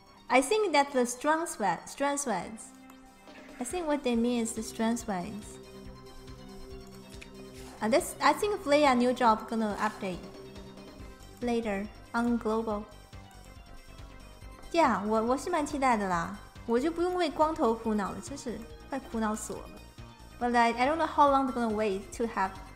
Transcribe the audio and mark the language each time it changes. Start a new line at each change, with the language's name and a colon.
English: I think that the strength sweats. I think what they mean is the strength sweats. I think Flea new job gonna update later on global.
Chinese: Yeah, 我是蛮期待的啦。我就不用为光头苦恼了，真是快苦恼死我了。
English: But I don't know how long they're gonna wait to have.